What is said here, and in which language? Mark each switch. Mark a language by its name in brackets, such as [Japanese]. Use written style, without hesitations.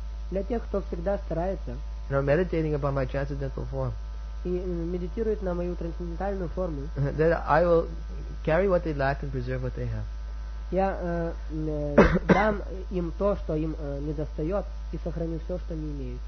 [Russian] Для тех, кто всегда старается. [English] And are meditating upon my transcendental form. [Russian] И медитирует на мою трансцендентальную форму. [English] That I will carry what they lack and preserve what they have. [Russian] Я дам им то, что им недостает, и сохраню все, что они имеют.